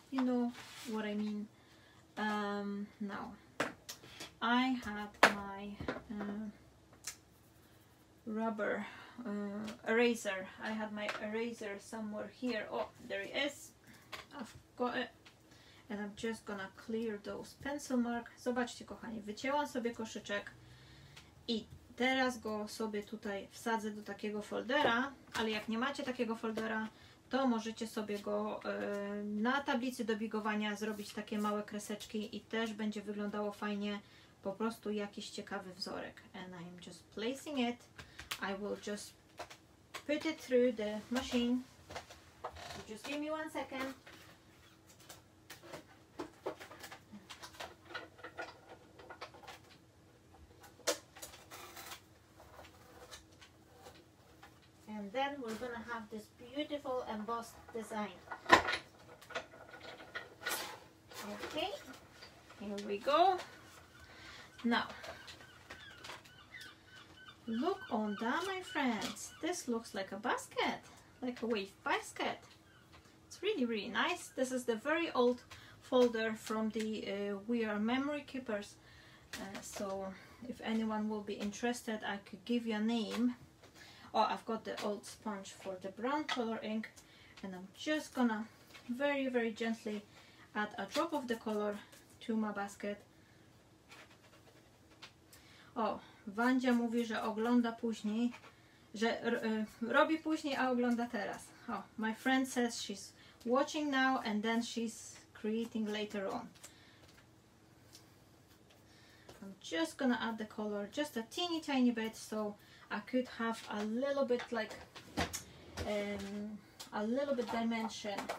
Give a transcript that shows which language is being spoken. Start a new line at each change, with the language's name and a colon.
English: You know what I mean. Now, I have my rubber eraser. I have my eraser somewhere here. Oh, there it is. I've got it. And I'm just gonna clear those pencil marks.
Polish: Zobaczcie, kochani, wycięłam sobie koszyczek i teraz go sobie tutaj wsadzę do takiego foldera, ale jak nie macie takiego foldera, to możecie sobie go na tablicy do bigowania zrobić takie małe kreseczki i też będzie wyglądało fajnie, po prostu jakiś ciekawy wzorek.
English: And I'm just placing it. I will just put it through the machine. Just give me one second. And then we're gonna have this beautiful embossed design. Okay, here we go. Now, look on that, my friends. This looks like a basket, like a wave basket. It's really, really nice. This is the very old folder from the We Are Memory Keepers. So if anyone will be interested, I could give you a name. Oh, I've got the old sponge for the brown color ink, and I'm just gonna very, very gently add a drop of the color to my basket.
Polish: Oh, Wandzia mówi, że ogląda później, że robi później, a ogląda teraz.
English: Oh, my friend says she's watching now and then she's creating later on. I'm just gonna add the color just a teeny tiny bit, so I could have a little bit like a little bit dimension.